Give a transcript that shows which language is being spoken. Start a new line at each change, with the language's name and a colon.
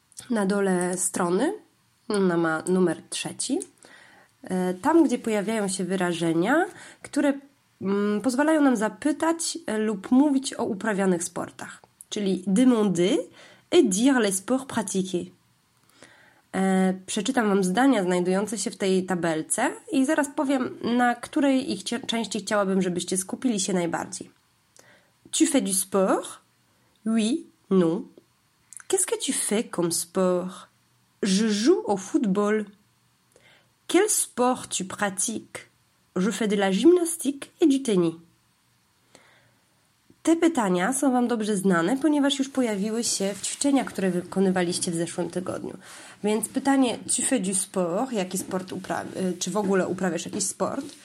Polish: Na dole strony ona ma numer 3. Tam, gdzie pojawiają się wyrażenia, które pozwalają nam zapytać lub mówić o uprawianych sportach. Czyli
French: demander et dire les sports pratiqués.
Polish: Przeczytam Wam zdania znajdujące się w tej tabelce i zaraz powiem, na której ich części chciałabym, żebyście skupili się najbardziej.
French: Tu fais du sport? Oui, non. Qu'est-ce que tu fais comme sport? Je joue au football. Quel sport tu pratiques? Je fais de la gymnastique et du tennis.
Polish: Te pytania są Wam dobrze znane, ponieważ już pojawiły się w ćwiczeniach, które wykonywaliście w zeszłym tygodniu. Więc pytanie,
French: tu fais du sport?
Polish: Jaki sport czy w ogóle uprawiasz jakiś sport?